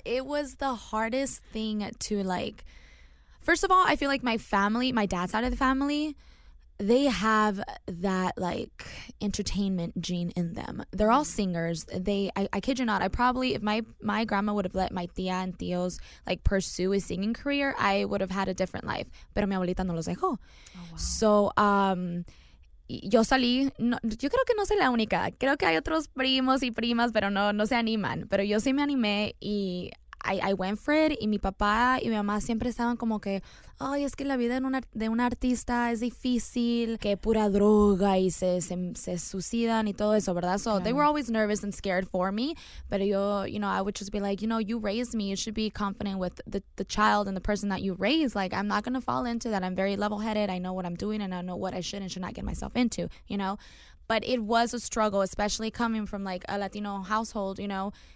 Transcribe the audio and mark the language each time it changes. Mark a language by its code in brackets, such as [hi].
[en] It was the hardest thing to, like, first of all, I feel like my family, my dad's side of the family, they have that, like, entertainment gene in them. They're all singers. I kid you not, I probably, if my grandma would have let my tía and tíos, like, pursue a singing career, I would have had a different life. [es] Pero mi abuelita no los dejó. [en] Oh, wow. [es] So, yo salí, yo creo que no soy la única. Creo que hay otros primos y primas, pero no se animan. Pero yo sí me animé y [en] I went for it, [es] y mi papá y mi mamá siempre estaban como que, ay, es que la vida de un artista es difícil, que pura droga y se suicidan y todo eso, ¿verdad? [en] So they were always nervous and scared for me, but yo, you know, I would just be like, you know, you raised me, you should be confident with the child and the person that you raised. Like, I'm not going to fall into that. I'm very level-headed. I know what I'm doing, and I know what I should and should not get myself into, you know? But it was a struggle, especially coming from, like, a Latino household, you know?